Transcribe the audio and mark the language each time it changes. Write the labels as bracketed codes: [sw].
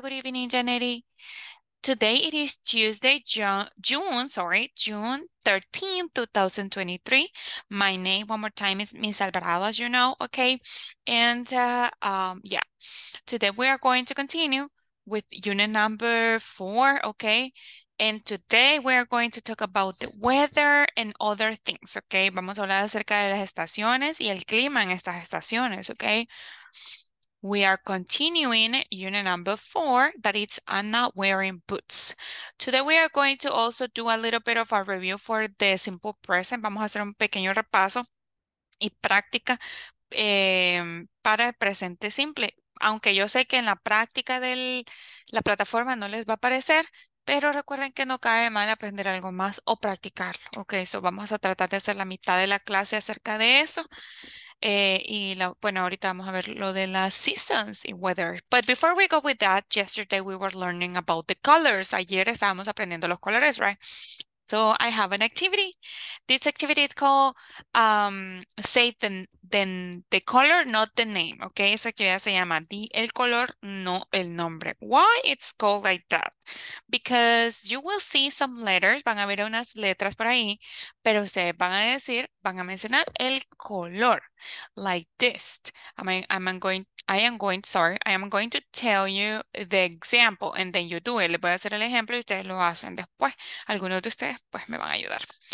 [en] Good evening, Janetti. Today it is Tuesday, June 13, 2023. My name, one more time, is Miss Alvarado, as you know, okay? And yeah, today we are going to continue with unit number 4, okay? And today we are going to talk about the weather and other things, okay? [es] Vamos a hablar acerca de las estaciones y el clima en estas estaciones, okay? [en] We are continuing unit number 4, that is, I'm not wearing boots. Today we are going to also do a little bit of a review for the simple present. [es] Vamos a hacer un pequeño repaso y práctica para el presente simple. Aunque yo sé que en la práctica de la plataforma no les va a parecer, pero recuerden que no cae mal aprender algo más o practicarlo. Ok, so vamos a tratar de hacer la mitad de la clase acerca de eso. Bueno, ahorita vamos a ver lo de las seasons y weather. [en] But before we go with that, yesterday we were learning about the colors. [es] Ayer estábamos aprendiendo los colores, [en] right? So I have an activity. This activity is called say the color, not the name. [es] Okay, esa actividad se llama di el color, no el nombre. [en] Why it's called like that? Because you will see some letters, [es] van a ver unas letras por ahí, pero ustedes van a decir, van a mencionar el color. [en] Like this. I am going to tell you the example and then you do it. [es] Les voy a hacer el ejemplo y ustedes lo hacen después. Algunos de ustedes pues me van a ayudar.